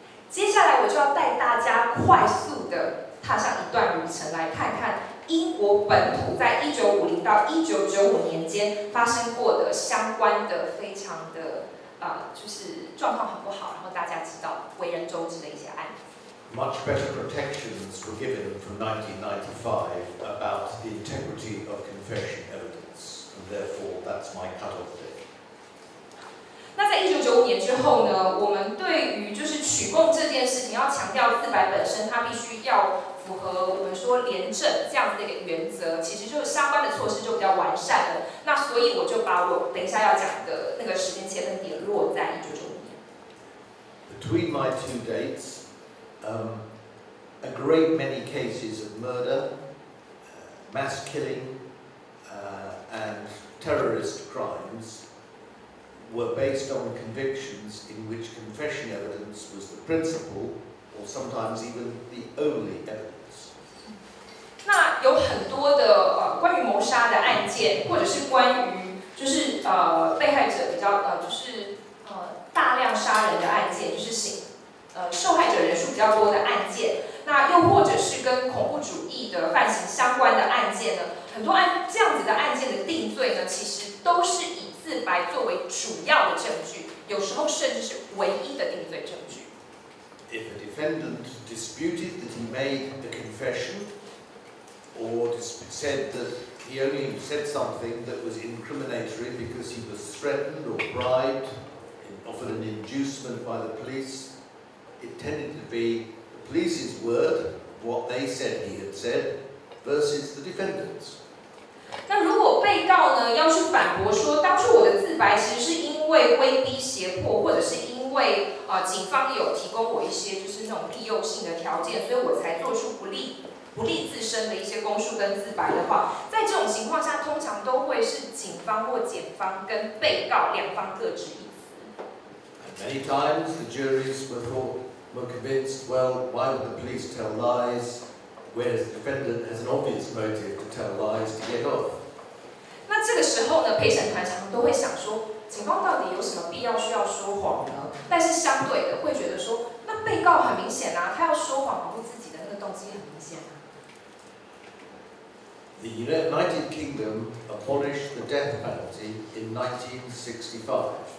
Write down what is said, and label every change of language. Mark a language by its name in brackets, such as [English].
[Chinese] 接下来我就要带大家快速的踏上一段旅程，来看看英国本土在1950到1995年间发生过的相关的非常的就是状况很不好，然后大家知道为人周知的一些案例。 [English] Much better protections were given from 1995 about the integrity of confession evidence, and therefore that's my cut-off date. [Chinese] 那在1995年之后呢，我们对于就是取供这件事情，要强调自白本身，它必须要符合我们说廉政这样子的一个原则，其实就是相关的措施就比较完善了。那所以我就把我等一下要讲的那个时间切分点落在1995年。 [English] Between my two dates, a great many cases of murder, mass killing, and terrorist crimes. were based on convictions in which confession evidence was the principal or sometimes even the only evidence. [Chinese] 那有很多的关于谋杀的案件，或者是关于就是被害者比较就是大量杀人的案件，就是受害者人数比较多的案件。那又或者是跟恐怖主义的犯行相关的案件呢？很多这样子的案件的定罪呢，其实都是以自白作为主要的证据，有时候甚至是唯一的定罪证据。 [English] If a defendant disputed that he made the confession, or said that he only said something that was incriminatory because he was threatened or bribed, offered an inducement by the police, it tended to be police's word, what they said he had said, versus the defendant's. [Chinese] 那如果被告呢要去反驳说，当初我的自白其实是因为威逼胁迫，或者是因为警方有提供我一些就是那种利诱性的条件，所以我才做出不利自身的一些供述跟自白的话，在这种情况下，通常都会是警方或检方跟被告两方各执一词。 [English] Many times the juries were convinced, well, why would the police tell lies, whereas the defendant has an obvious motive to tell lies to get off? [Chinese] 那这个时候呢，陪审团常常都会想说，警方到底有什么必要需要说谎呢？但是相对的，会觉得说，那被告很明显啊，他要说谎保护自己的那个动机很明显啊。 [English] The United Kingdom abolished the death penalty in 1965.